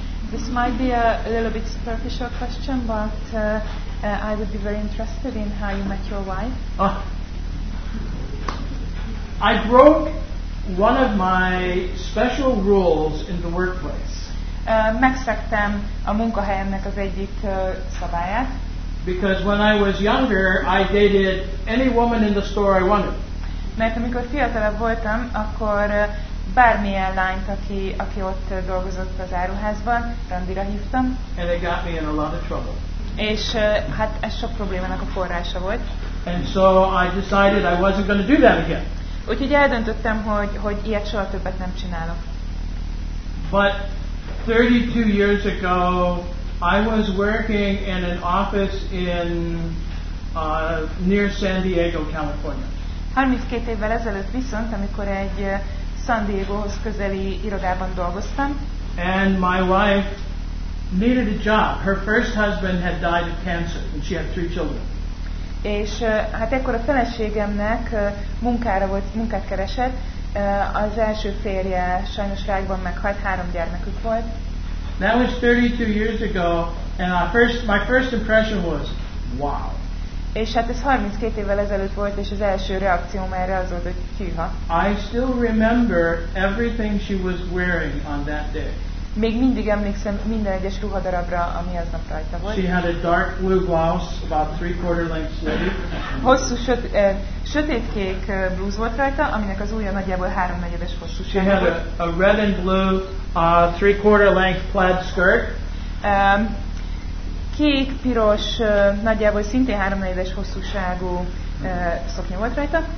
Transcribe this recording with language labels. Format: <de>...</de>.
<en>This might be a little bit superficial question, but I would be very interested in how you met your wife. I broke one of my special rules in the workplace.</en> <hu>Megszegtem a munkahelyemnek az egyik szabályát.</hu> <en>Because when I was younger, I dated any woman in the store I wanted.</en> <hu>Mert amikor fiatalabb voltam, akkor bármilyen lányt, aki ott dolgozott az áruházban, randira hívtam.</hu> <en>And it got me in a lot of trouble.</en> <hu>És hát ez sok problémának a forrása volt.</hu> <en>And so I decided I wasn't going to do that again.</en> <hu>Úgyhogy eldöntöttem, hogy ilyet soha többet nem csinálok.</hu> <en>But 32 years ago, I was working in an office in near San Diego, California.</en> <hu>32 évvel ezelőtt viszont, amikor egy San Diego-hoz közeli irodában dolgoztam.</hu> <en>And my wife needed a job. Her first husband had died of cancer, and she had 3 children.</en> <hu>És hát ekkor a feleségemnek munkát keresett, az első férje sajnos rákban meghalt, 3 gyermekük volt.</hu> <en>That was 32 years ago, and my first impression was, wow.</en> <hu>És hát ez 32 évvel ezelőtt volt, és az első reakcióm erre az volt, hogy hűha.</hu> <en>I still remember everything she was wearing on that day.</en> <hu>Még mindig emlékszem minden egyes ruhadarabra, ami aznap rajta volt.</hu> <en>She had a dark blue blouse, about 3/4 length sleeve.</en> <hu>Hosszú sötétkék blúz volt rajta, aminek az ujja nagyjából 3/4 hosszú.</hu> <en>She had a red and blue 3/4 length plaid skirt.</en> <hu>Kék, piros, nagyjából szintén 3/4 hosszúságú szoknya volt rajta.</hu>